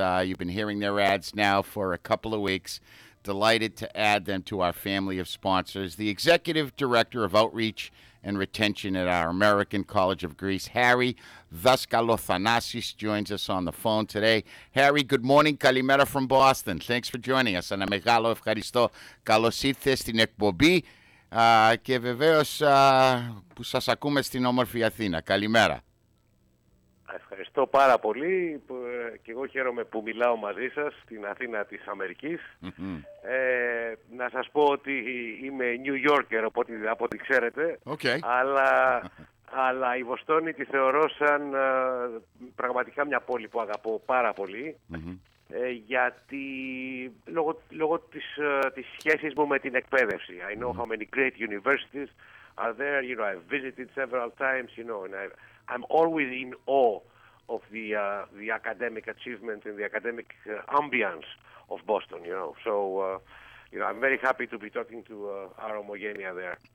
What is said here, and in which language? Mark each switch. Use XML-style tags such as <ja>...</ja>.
<en>You've been hearing their ads now for a couple of weeks. Delighted to add them to our family of sponsors. The Executive Director of Outreach and Retention at our American College of Greece, Harry Vaskalothanasis, joins us on the phone today. Harry, good morning. Kalimera from Boston. Thanks for joining us.</en> <el>Ana megalo ευχαριστώ. Καλώς ήρθες στην εκπομπή. Και βεβαίως που σας ακούμε στην όμορφη Αθήνα. Καλημέρα. Ευχαριστώ πάρα πολύ και εγώ χαίρομαι που μιλάω μαζί σας στην Αθήνα της Αμερικής. Mm-hmm. Να σας πω ότι είμαι New Yorker, οπότε, από ό,τι ξέρετε.</el> <en>Okay.</en> <el>Αλλά η Βοστόνη τη θεωρώ σαν πραγματικά μια πόλη που αγαπώ πάρα πολύ. Mm-hmm. Γιατί λόγω της σχέσης μου με την εκπαίδευση.</el> <en>I know how many great universities are there. You know, I've visited several times. You know, and I'm always in awe of the academic achievement and the academic ambience of Boston. You know, so you know, I'm very happy to be talking to our Omogenia there,</en>